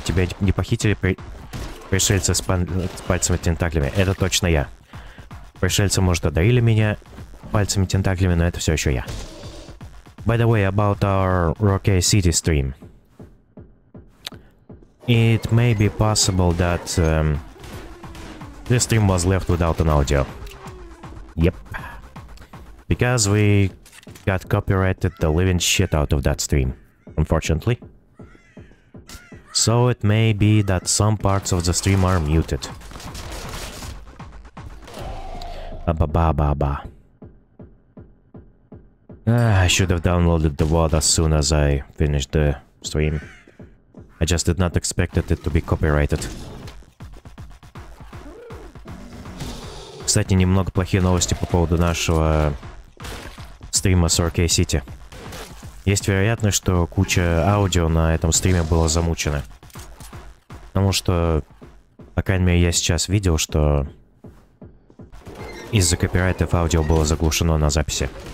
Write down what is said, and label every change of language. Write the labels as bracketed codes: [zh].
[ru] Тебя не похитили пришельцы с пальцами-тентаклями? Это точно я. Пришельцы, может, одарили меня пальцами-тентаклями, но это все еще я. [en] By the way, about our Rocket City stream. It may be possible that this stream was left without an audio. Yep. Because we got copyrighted the living shit out of that stream, unfortunately. So it may be that some parts of the stream are muted. Ba ba ba ba. I should have downloaded the VOD as soon as I finished the stream. I just did not expect it to be copyrighted. [ru] Кстати, немного плохие новости по поводу нашего стрима с RK City. Есть вероятность, что куча аудио на этом стриме было замучено. Потому что, по крайней мере, я сейчас видел, что из-за копирайтов аудио было заглушено на записи.